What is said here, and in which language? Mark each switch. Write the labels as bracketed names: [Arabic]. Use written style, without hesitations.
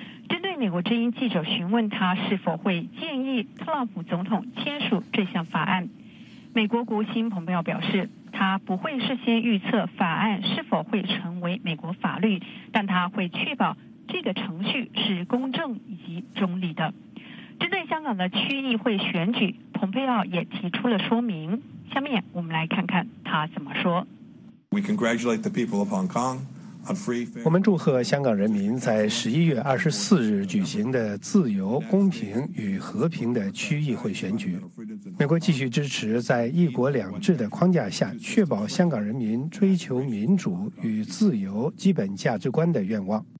[Chinese] 针对美国之音记者询问他是否会建议特朗普总统签署这项法案，美国国务卿蓬佩奥表示，他不会事先预测法案是否会成为美国法律，但他会确保这个程序是公正以及中立的。针对香港的区议会选举，蓬佩奥也提出了说明。下面我们来看看他怎么说。 [English] We congratulate the people of Hong Kong on free. [Chinese] 我们祝贺香港人民在11月24日举行的自由、公平与和平的区议会选举。美国继续支持在一国两制的框架下，确保香港人民追求民主与自由基本价值观的愿望。